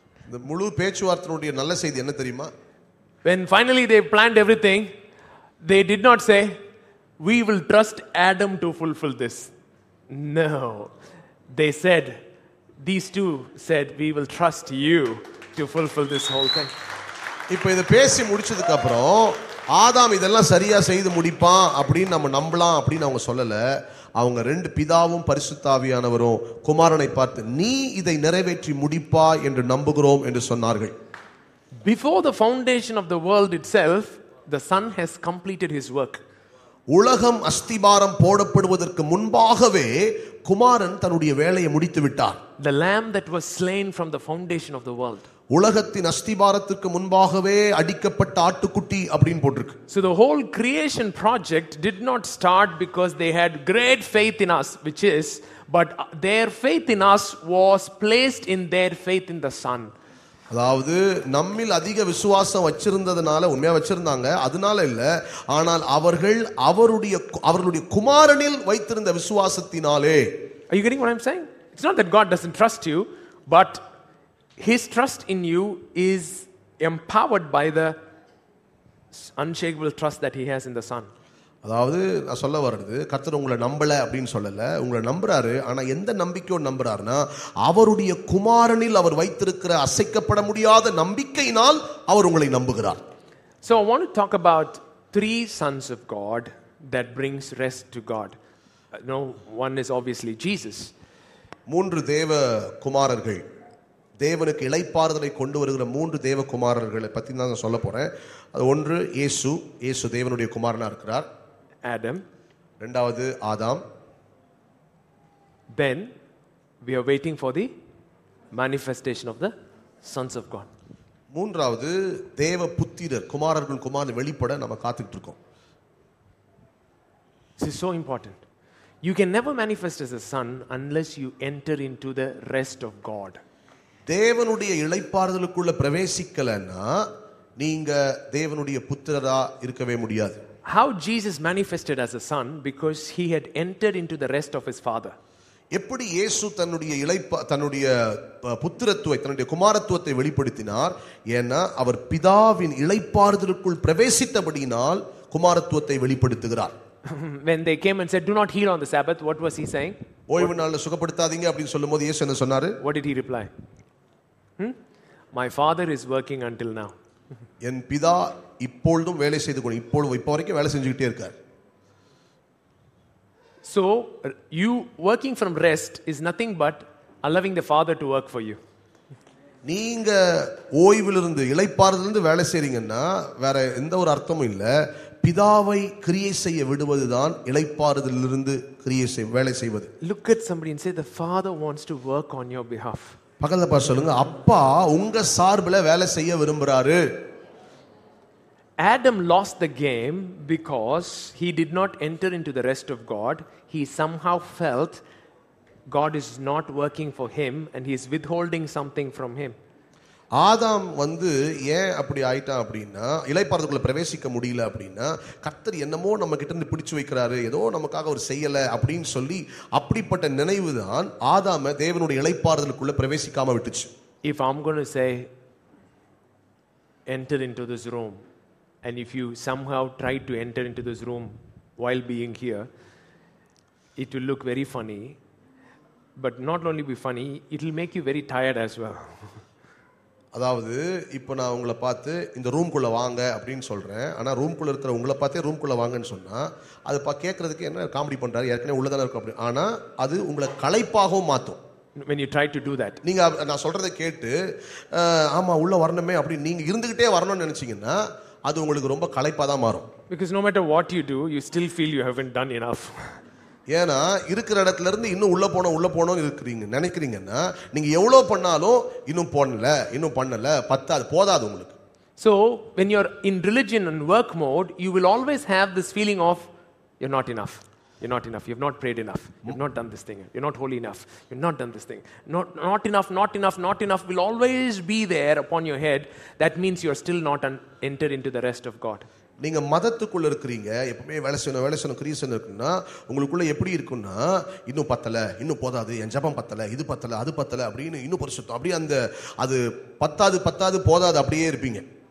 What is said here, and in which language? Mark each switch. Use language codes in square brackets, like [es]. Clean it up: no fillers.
[ta] The mulu pechu varthanudaiya nalla seidhi enna theriyuma? [en] When finally they planned everything, they did not say, we will trust Adam to fulfill this. No. These two said, we will trust you to fulfill this whole thing. [ta] இப்போ இதை பேசி முடிச்சதுக்கு அப்புறம் ஆதாம் இதெல்லாம் சரியா செய்து முடிப்பான் அப்படின்னு நம்ம நம்பலாம் அப்படின்னு அவங்க சொல்லலை. அவங்க ரெண்டு பிதாவும் பரிசுத்தாவியானவரும் குமாரனை பார்த்து நீ இதை நிறைவேற்றி முடிப்பா என்று நம்புகிறோம் என்று சொன்னார்கள். [en] Before the foundation of the world itself, the Son has completed his work. [ta] உலகம் அஸ்திபாரம் போடப்படுவதற்கு முன்பாகவே குமாரன் தன்னுடைய வேலையை முடித்து விட்டார். [en] The lamb that was slain from the foundation of the world. [ta] உலகத்தின் அஸ்திபாரத்துக்கு முன்பாகவே அடிக்கப்பட்ட ஆட்டுக்குட்டி அப்படினு போட்டுருக்கு. [en] So the whole creation project did not start because they had great faith in us, which is, but their faith in us was placed in their faith in the Son. [ta] அதாவது நம்மில் அதிக விசுவாசம் வச்சிருந்ததுனால, உண்மையா வச்சிருந்தாங்க அதனால இல்ல, ஆனால் அவர்கள் அவருடைய குமாரனில் வைத்திருந்த விசுவாசத்தினாலே. [en] Are you getting what I'm saying? It's not that God doesn't trust you, but his trust in you is empowered by the unshakable trust that he has in the Son. [ta] அதாவது நான் சொல்ல வர்றது, கர்த்தர் உங்களை நம்பலை அப்படின்னு சொல்லலை, உங்களை நம்புறாரு, ஆனால் எந்த நம்பிக்கையோடு நம்புறாருன்னா அவருடைய குமாரனில் அவர் வைத்திருக்கிற அசைக்கப்பட முடியாத நம்பிக்கையினால் அவர் உங்களை நம்புகிறார். [en] So I want to talk about three sons of God that brings rest to God. No, one is obviously Jesus. [ta] மூன்று தேவ குமாரர்கள், தேவனுக்கு இளைப்பாறுதலை கொண்டு வருகிற மூன்று தேவ குமாரர்களை பற்றி தான் நான் சொல்ல போகிறேன். அது ஒன்று இயேசு, இயேசு தேவனுடைய குமாரனாக இருக்கிறார். ஆடம். ரெண்டாவது ஆதாம். [en] Then we are waiting for the manifestation of the sons of God. [ta] மூன்றாவது தேவ புத்திரர், குமாரர்கள் குமாரன் வெளிப்பட நம்ம காத்துக்கிட்டு இருக்கோம். [en] This is so important. You can never manifest as a son unless you enter into the rest of God. [ta] தேவனுடைய இளைப்பாறுதலுக்குள்ள பிரவேசிக்கலன்னா நீங்க தேவனுடைய புத்திரரா இருக்கவே முடியாது. [en] How Jesus manifested as a son because he had entered into the rest of his father. [ta] எப்படி இயேசு தன்னுடைய இளைப்பா தன்னுடைய புத்திரத்துவத்தை தன்னுடைய குமாரத்துவத்தை வெளிப்படுத்தினார், ஏன்னா அவர் பிதாவின் இளைப்பாறுதலுக்குள் பிரவேசித்தபடியினால் குமாரத்துவத்தை வெளிப்படுத்துகிறார். [en] When they came and said, "Do not heal on the Sabbath," what was he saying? [ta] ஓய்வு நாள்ல சுகப்படுத்தாதீங்க அப்படினு சொல்லும்போது இயேசு என்ன சொன்னாரு? [en] What did he reply? My father is working until now. [ta] என் பிதா இப்பொழுதும் வேலை செய்து கொண்டு இப்போ வரைக்கும் வேலை செஞ்சுக்கிட்டே இருக்கார். [en] So you working from rest is nothing but allowing the father to work for you. [ta] நீங்க ஓய்விலிருந்து இளைப்பாறுதல இருந்து வேலை செய்றீங்கன்னா வேற எந்த ஒரு அர்த்தமும் இல்ல. பிதாவை கிரியை செய்ய விடுவதுதான் இளைப்பாறுதலிலிருந்து கிரியை செய்ய வேலை செய்வது. [en] Look at somebody and say the father wants to work on your behalf. [ta] பக்கத்துல பா சொல்லுங்க, அப்பா உங்க சார்பில் வேலை செய்ய விரும்புறாரு. [en] Adam lost the game because he did not enter into the rest of God. He somehow felt God is not working for him and he is withholding something from him. [ta] ஆதாம் வந்து ஏன் அப்படி ஆயிட்டான் அப்படின்னா, இளைப்பாறுதலுக்குள்ள பிரவேசிக்க முடியல அப்படின்னா, கர்த்தர் என்னமோ நம்ம கிட்ட இருந்து பிடிச்சு வைக்கிறாரு, ஏதோ நமக்காக அவர் செய்யலை அப்படின்னு சொல்லி அப்படிப்பட்ட நினைவு தான் ஆதாம தேவனுடைய இளைப்பாறுதலுக்குள்ள பிரவேசிக்காம விட்டுச்சு. [en] If I'm going to say enter into this room and if you somehow try to enter into this room while being here, it will look very funny, but not only be funny, it will make you very tired as well. [ta] அதாவது இப்போ நான் உங்களை பார்த்து இந்த ரூம்குள்ளே வாங்க அப்படின்னு சொல்கிறேன், ஆனால் ரூம்குள்ளே இருக்கிற உங்களை பார்த்தே ரூம்குள்ளே வாங்கன்னு சொன்னால் அது பா கேட்குறதுக்கு என்ன காமெடி பண்ணுறாரு, ஏற்கனவே உள்ளதானே இருக்கும் அப்படின்னு, ஆனால் அது உங்களை களைப்பாகவும் மாற்றும். [en] When you try to do that, [ta] நீங்கள் நான் சொல்கிறத கேட்டு ஆமாம் உள்ளே வரணுமே அப்படின்னு நீங்கள் இருந்துக்கிட்டே வரணும்னு நினச்சிங்கன்னா அது உங்களுக்கு ரொம்ப களைப்பாக தான் மாறும். [en] Because no matter what you do, you still feel you haven't done enough. [ta] ஏன்னா இருக்கிற இடத்துல இருந்து இன்னும் உள்ள போனோம் இருக்கிறீங்க நினைக்கிறீங்கன்னா நீங்க எவ்வளவு பண்ணாலும் இன்னும் பண்ணல பத்தாது, போதாது உங்களுக்கு. [en] So when you're in religion and work mode, you will always have this feeling of you're not enough, you've not prayed enough, you've not done this thing, you're not holy enough, you've not done this thing, not enough will always be there upon your head. That means you're still not entered into the rest of God. [ta] நீங்க மதத்துக்குள்ள இருக்கிறீங்க, எப்பவுமே வேலை செய்யணும் கிரியை செய்யணும் இருக்குன்னா உங்களுக்குள்ள எப்படி இருக்குன்னா இன்னும் பத்தல, இன்னும் போதாது, என் ஜபம் பத்தல, இது பத்தல, அது பத்தல அப்படின்னு இன்னும் பரிசுத்தம் அப்படியே அந்த அது பத்தாது போதாது அப்படியே இருப்பீங்க.